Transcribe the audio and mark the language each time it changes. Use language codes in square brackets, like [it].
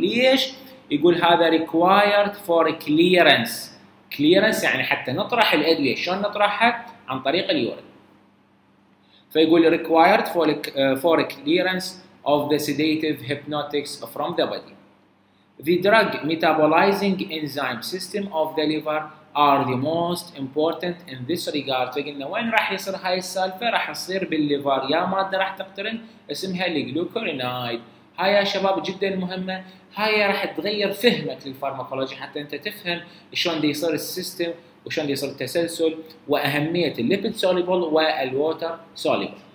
[ar] ليش؟ يقول هذا [en] Required for clearance. [ar] كليرنس يعني حتى نطرح الادوية. شلون نطرحها؟ عن طريق اليورين. فيقول [en] Required for clearance of the sedative hypnotics from the body. The drug metabolizing enzyme system of the liver are the most important in this regard. [ar] فقلنا وين راح يصير هاي السالفة؟ راح يصير بالليفر. يا مادة راح تقترن اسمها الجلوكورينايد. هاي يا شباب جدا مهمة، هاي راح تغير فهمك للفارماكولوجي حتى انت تفهم شلون دي يصير السيستم وشلون دي يصير التسلسل واهمية الليبيد سوليبل والووتر سوليبل.